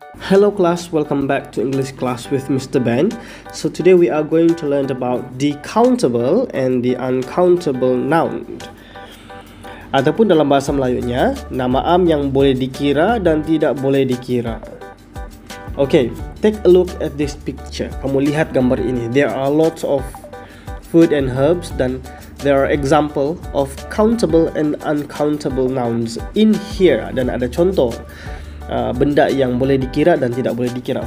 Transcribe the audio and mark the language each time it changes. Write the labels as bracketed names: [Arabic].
[English] Hello class, welcome back to English class with Mr. Ben. So today we are going to learn about the countable and the uncountable noun. [Malay] Ataupun dalam bahasa Melayunya, nama am yang boleh dikira dan tidak boleh dikira. [English] Okay, take a look at this picture. [Malay] Kamu lihat gambar ini. [English] There are lots of food and herbs dan there are example of countable and uncountable nouns in here. [Malay] Dan ada contoh. Benda yang boleh dikira dan tidak boleh dikira.